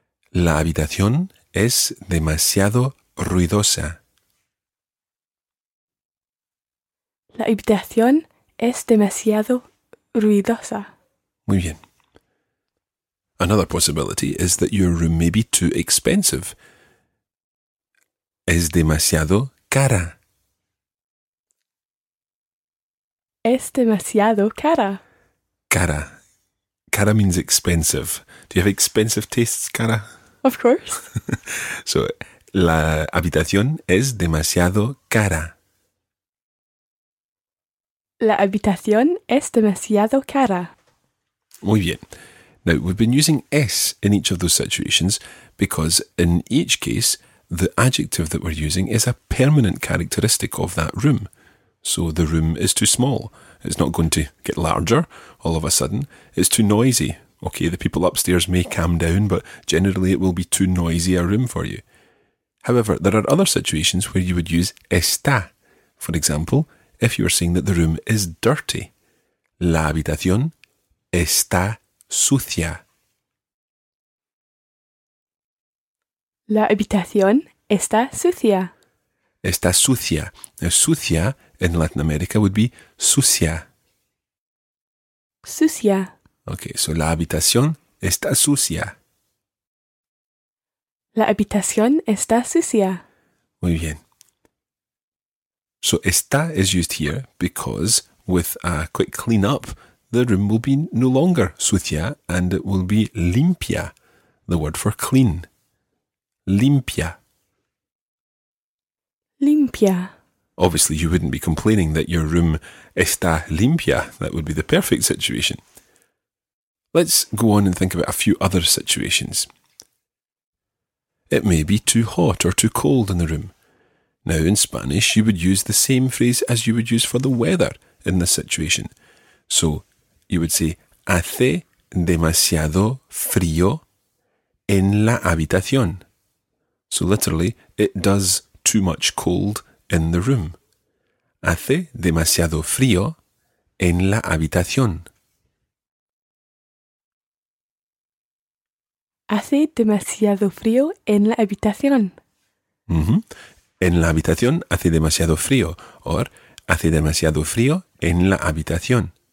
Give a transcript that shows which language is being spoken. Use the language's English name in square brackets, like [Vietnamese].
[Spanish] La habitación es demasiado ruidosa. La habitación es demasiado ruidosa. Muy bien. [English] Another possibility is that your room may be too expensive. [Spanish] Es demasiado cara. Es demasiado cara. [English] Cara. Cara means expensive. Do you have expensive tastes, Cara? Of course. [Spanish] So, la habitación es demasiado cara. La habitación es demasiado cara. Muy bien. [English] Now, we've been using es in each of those situations because in each case, the adjective that we're using is a permanent characteristic of that room. So the room is too small. It's not going to get larger all of a sudden. It's too noisy. Okay, the people upstairs may calm down, but generally it will be too noisy a room for you. However, there are other situations where you would use está. For example, if you are saying that the room is dirty. [Spanish] La habitación está sucia. La habitación está sucia. Está sucia. [English] Now, sucia in Latin America would be sucia. [Spanish] Sucia. Okay, so la habitación está sucia. La habitación está sucia. Muy bien. [English] So está is used here because with a quick clean up, the room will be no longer sucia and it will be limpia, the word for clean. [Spanish] Limpia. Limpia. [English] Obviously, you wouldn't be complaining that your room [Spanish] está limpia. [English] That would be the perfect situation. Let's go on and think about a few other situations. It may be too hot or too cold in the room. Now, in Spanish, you would use the same phrase as you would use for the weather in this situation. So, you would say, [Spanish] hace demasiado frío en la habitación. [English] So, literally, it does too much cold in the room. [Spanish] Hace demasiado frío en la habitación. Hace demasiado frío en la habitación. Mm-hmm. En la habitación hace demasiado frío. Or, hace demasiado frío en la habitación.